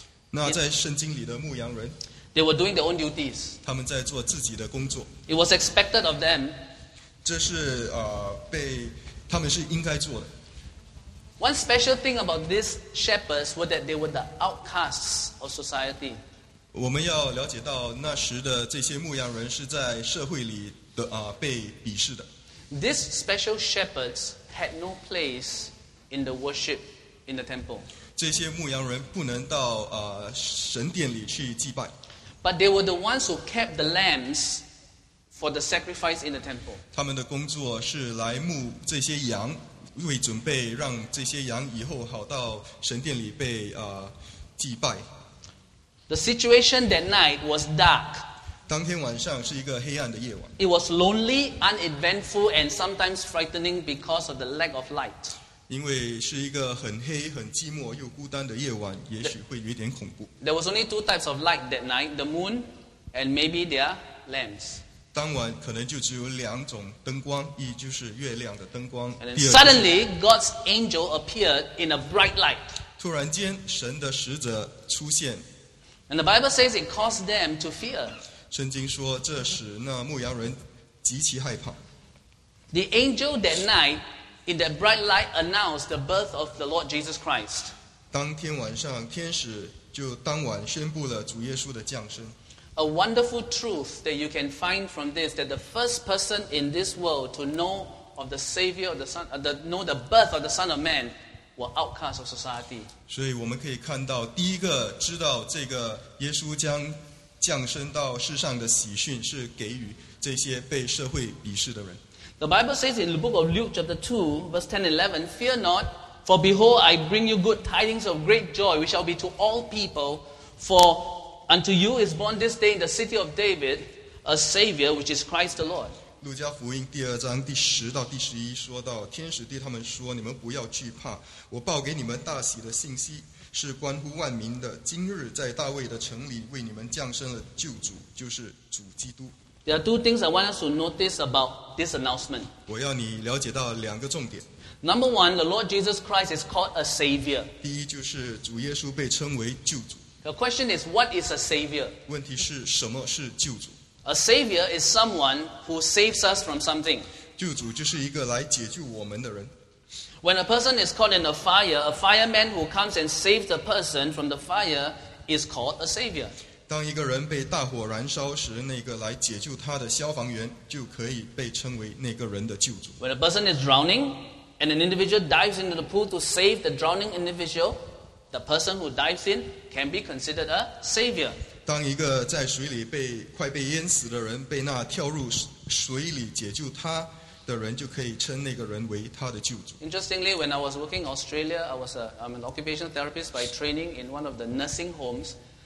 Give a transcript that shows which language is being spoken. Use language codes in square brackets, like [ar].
[zh] 那在圣经里的牧羊人。 [en] They were doing their own duties. [zh] 他们在做自己的工作。 [en] It was expected of them. [zh] 这是他们是应该做的。 [en] One special thing about these shepherds was that they were the outcasts of society. [zh] 我们要了解到那时的这些牧羊人是在社会里的被鄙视的。 [en] These special shepherds had no place in the worship in the temple. [zh] 这些牧羊人不能到神殿里去祭拜。 [en] But they were the ones who kept the lambs for the sacrifice in the temple. [zh] 他们的工作是来牧这些羊，为准备让这些羊以后好到神殿里被祭拜。 [en] The situation that night was dark. [zh] 当天晚上是一个黑暗的夜晚。 [en] It was lonely, uneventful, and sometimes frightening because of the lack of light. [zh] 因为是一个很黑、很寂寞又孤单的夜晚，也许会有点恐怖。 [en] There was only two types of light that night: the moon and maybe their lamps. [zh] 当晚可能就只有两种灯光，一就是月亮的灯光。 [en] And then suddenly, God's angel appeared in a bright light. [zh] 突然间，神的使者出现。 [en] And the Bible says it caused them to fear. [zh] 圣经说这使那牧羊人极其害怕。 [en] The angel that night. In that bright light, announced the birth of the Lord Jesus Christ. [zh] 当天晚上，天使就当晚宣布了主耶稣的降生。 [en] A wonderful truth that you can find from this: that the first person in this world to know of the Savior, of the Son, know the birth of the Son of Man, were outcasts of society. [zh] 所以我们可以看到，第一个知道这个耶稣将降生到世上的喜讯，是给予这些被社会鄙视的人。 [en] The Bible says in the book of Luke chapter 2, verse 10 and 11, Fear not, for behold, I bring you good tidings of great joy, which shall be to all people. For unto you is born this day in the city of David, a Savior, which is Christ the Lord. [zh] 路加福音第二章第十到第十一说到，天使对他们说，你们不要惧怕，我报给你们大喜的信息，是关乎万民的，今日在大卫的城里为你们降生了救主，就是主基督。 [en] There are two things I want us to notice about this announcement. [zh] 我要你了解到两个重点。 [en] Number one, the Lord Jesus Christ is called a savior. [zh] 第一就是主耶稣被称为救主。 [en] The question is, what is a savior? [zh] 问题是什么是救主? [en] A savior is someone who saves us from something. [zh] 救主就是一个来解救我们的人。 [en] When a person is caught in a fireman who comes and saves the person from the fire is called a savior. [zh] 当一个人被大火燃烧时, 那个来解救他的消防员就可以被称为那个人的救主。 [en] When a person is drowning, and an individual dives into the pool to save the drowning individual, the person who dives in can be considered a savior. [zh] 当一个在水里被淹死的人, 被那跳入水里解救他, 的人就可以称那个人为他的救主。 [en] Interestingly, when I was working in Australia, I'm an occupational therapist by training in one of the nursing homes.